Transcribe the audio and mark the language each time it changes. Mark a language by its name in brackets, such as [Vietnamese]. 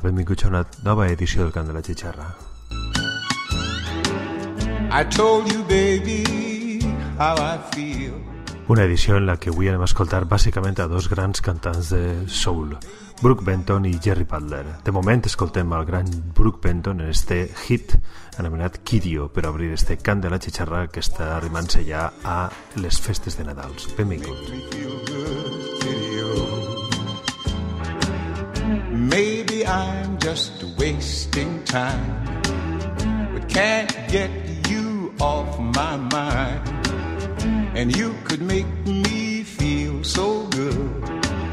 [Catalan] Benvinguts a una nova edició del Cant de la Xitxarra. [English] I told you, baby, how I feel. [Catalan] Una edició en la que avui anem a escoltar bàsicament a dos grans cantants de soul, Brook Benton i Jerry Butler. De moment escoltem el gran Brook Benton en este hit anomenat Kidio per obrir este Cant de la Xitxarra que està arribant-se ja a les festes de Nadal. Benvinguts. [English] Maybe I'm just wasting time, but can't get you off my mind. And you could make me feel so good.